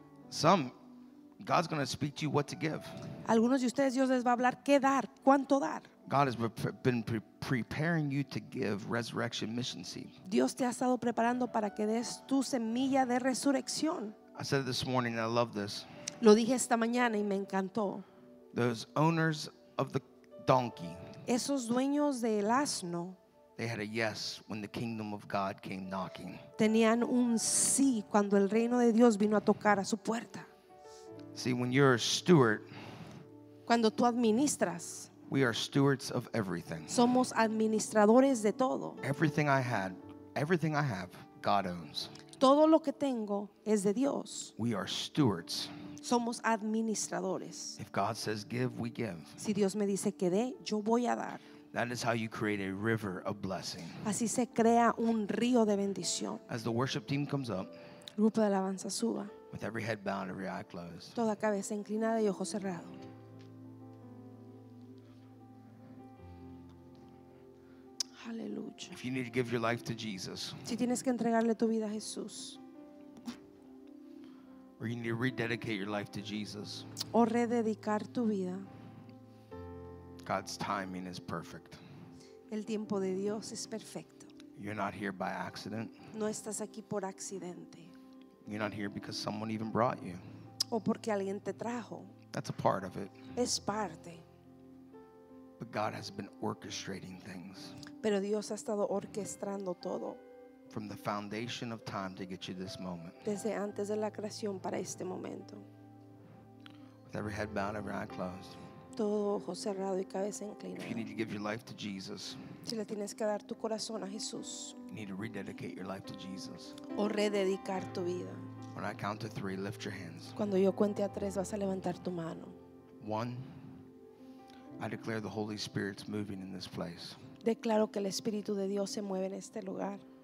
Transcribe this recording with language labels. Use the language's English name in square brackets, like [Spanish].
[English] Some, God's going to speak to you what to give. [Spanish] Algunos de ustedes Dios les va a hablar qué dar, cuánto dar. [English] God has been preparing you to give resurrection mission seed. [Spanish] Dios te ha estado preparando para que des tu semilla de resurrección. [English] I said this morning, and I love this. [Spanish] Lo dije esta mañana y me encantó. [English] Those owners of the donkey. [Spanish] Esos dueños del asno. [English] They had a yes when the kingdom of God came knocking. [Spanish] Tenían un sí cuando el reino de Dios vino a tocar a su puerta. [English] See, when you're a steward, [Spanish] cuando tú administras, [English] we are stewards of everything. [Spanish] Somos administradores de todo. [English] Everything I have, God owns. [Spanish] Todo lo que tengo es de Dios. [English] We are stewards. [Spanish] Somos administradores. [English] If God says give, we give. [Spanish] Si Dios me dice que dé, yo voy a dar. [English] That is how you create a river of blessing. [Spanish] Así se crea un río de bendición. [English] As the worship team comes up, [Spanish] grupo de alabanza suba, [English] with every head bowed, every eye closed, [Spanish] toda cabeza inclinada y ojo cerrado. [English] Hallelujah. If you need to give your life to Jesus, [Spanish] si tienes que entregarle tu vida a Jesús, [English] or you need to rededicate your life to Jesus, [Spanish] o rededicar tu vida, [English] God's timing is perfect. [Spanish] El tiempo de Dios es perfecto. [English] You're not here by accident. [Spanish] No estás aquí por accidente. [English] You're not here because someone even brought you. [Spanish] O porque alguien te trajo. [English] That's a part of it. [Spanish] Es parte. [English] But God has been orchestrating things. [Spanish] Pero Dios ha estado orquestando todo. [English] From the foundation of time to get you this moment. [Spanish] Desde antes de la creación para este momento. [English] With every head bowed, every eye closed. [Spanish] Todo ojo cerrado y cabeza inclinada. [English] If you need to give your life to Jesus, [Spanish] si le tienes que dar tu corazón a Jesús, [English] you need to rededicate your life to Jesus. [Spanish] O rededicar tu vida. [English] When I count to three, lift your hands. [Spanish] Cuando yo cuente a tres, vas a levantar tu mano. [English] One, I declare the Holy Spirit's moving in this place. [Spanish] Declaro que el Espíritu de Dios se mueve en este lugar.